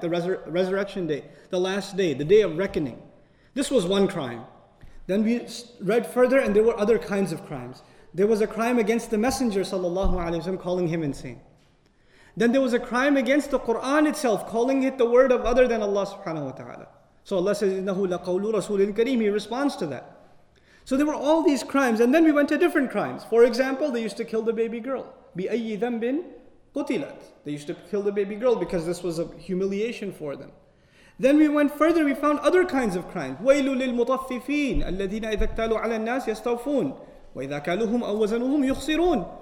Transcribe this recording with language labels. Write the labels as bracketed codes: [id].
[en] The resurrection day, the last day, the day of reckoning. This was one crime. Then we read further and there were other kinds of crimes. There was a crime against the Messenger sallallahu alayhi wa sallam, calling him insane. Then there was a crime against the Quran itself, calling it the word of other than Allah subhanahu wa ta'ala. So Allah says, [ar] إِنَّهُ لَقَوْلُ رَسُولٍ كَرِيمٍ. [en] He responds to that. So there were all these crimes, and then we went to different crimes. For example, they used to kill the baby girl. [ar] بِأَيِّ ذَنْبٍ قُتِلَتْ. [en] They used to kill the baby girl because this was a humiliation for them. Then we went further, we found other kinds of crimes. [ar] وَيْلُ لِلْمُطَفِّفِينَ الَّذِينَ إِذَا اكْتَالُوا عَلَى النَّاسِ يَسْتَوْفُونَ وَإِذَا كَالُوهُمْ أَوْ وَزَنُوهُمْ يُخْسِرُونَ.